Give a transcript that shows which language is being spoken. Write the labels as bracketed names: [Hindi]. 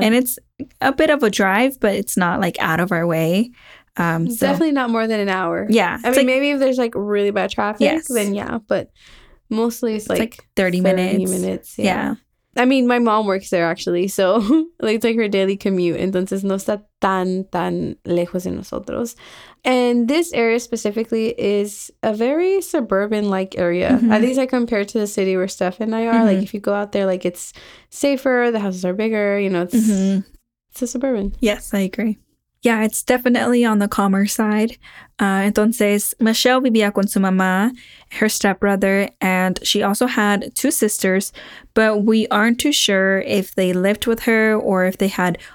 [English] And it's a bit of a drive, but it's not like out of our way. Definitely not more than an hour. Yeah. I mean, like, maybe if there's like really bad traffic, then yeah. But mostly it's like 30 minutes. Yeah. I mean, my mom works there actually. So it's like her daily commute. [Spanish] Entonces no está tan lejos de nosotros. [English] And this area specifically is a very suburban-like area. Mm-hmm. At least I compare to the city where Steph and I are. Mm-hmm. Like if you go out there, like it's safer, the houses are bigger, you know, it's a suburban. Yes, I agree. Yeah, it's definitely on the calmer side. [Spanish] Entonces, Michelle vivía con su mamá, [English] her stepbrother, and she also had two sisters, but we aren't too sure if they lived with her or if they had